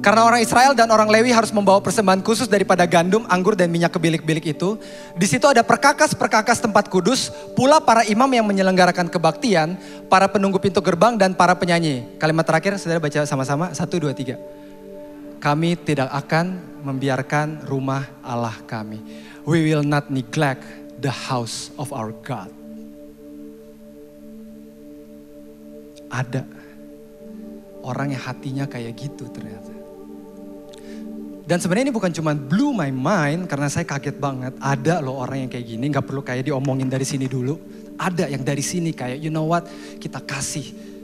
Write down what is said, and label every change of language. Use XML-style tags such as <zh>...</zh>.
<id>Karena orang Israel dan orang Lewi harus membawa persembahan khusus daripada gandum, anggur, dan minyak ke bilik-bilik itu. Di situ ada perkakas-perkakas tempat kudus, pula para imam yang menyelenggarakan kebaktian, para penunggu pintu gerbang, dan para penyanyi. Kalimat terakhir, saudara baca sama-sama, 1, 2, 3. Kami tidak akan membiarkan rumah Allah kami.</id> <en>We will not neglect the house of our God.</en> <id>Ada orang yang hatinya kayak gitu ternyata. Dan sebenarnya ini bukan cuman</id> <en>blew my mind</en> <id>karena saya kaget banget. Ada loh orang yang kayak gini, gak perlu kayak diomongin dari sini dulu. Ada yang dari sini kayak,</id> <en>you know what,</en> <id>kita kasih.</id>